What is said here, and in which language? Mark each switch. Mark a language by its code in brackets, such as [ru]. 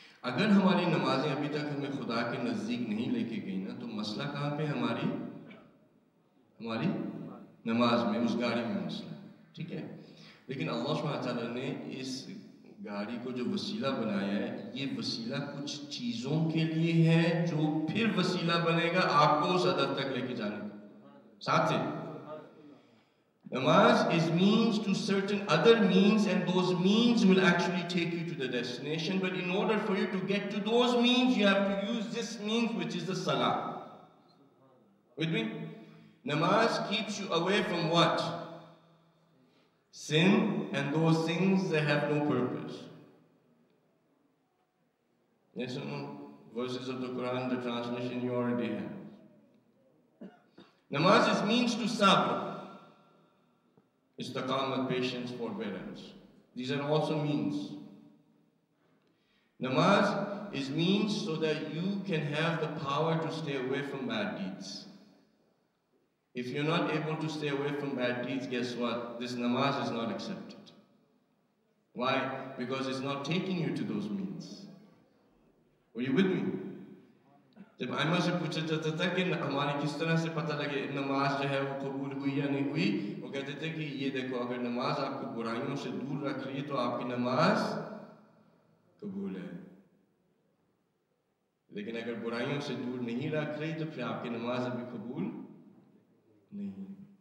[ur] اگر ہماری نمازیں ابھی تک ہمیں خدا کے نزدیک نہیں لے کے گئی نا, تو مسئلہ کہاں پہ ہماری ہماری نماز میں, اس گاڑی میں مسئلہ. ٹھیک ہے, لیکن اللہ سبحانہ وتعالیٰ نے اس گاڑی کو جو وسیلہ بنایا ہے, یہ وسیلہ کچھ چیزوں کے لیے ہے جو پھر وسیلہ بنے گا آپ کو اس حد تک لے کے جانے کا. [en] ساتھ Namaz is means to certain other means, and those means will actually take you to the destination. But in order for you to get to those means, you have to use this means, which is the salah. With me? Namaz keeps you away from what? Sin and those things that have no purpose. Yes or no? Verses of the Quran, the translation you already have. Namaz is means to sabr. Istiqamah, patience, forbearance. These are also means. Namaz is means so that you can have the power to stay away from bad deeds. If you're not able to stay away from bad deeds, guess what? This namaz is not accepted. Why? Because it's not taking you to those means. Were you with me? [ur] جب آئما سے پوچھا جاتا تھا کہ ہماری کس طرح سے پتہ لگے نماز جو ہے وہ قبول ہوئی یا نہیں ہوئی, وہ کہتے تھے کہ یہ دیکھو اگر نماز آپ کو برائیوں سے دور رکھ رہی ہے تو آپ کی نماز قبول ہے، لیکن اگر برائیوں سے دور نہیں رکھ رہی تو پھر آپ کی نماز ابھی قبول نہیں.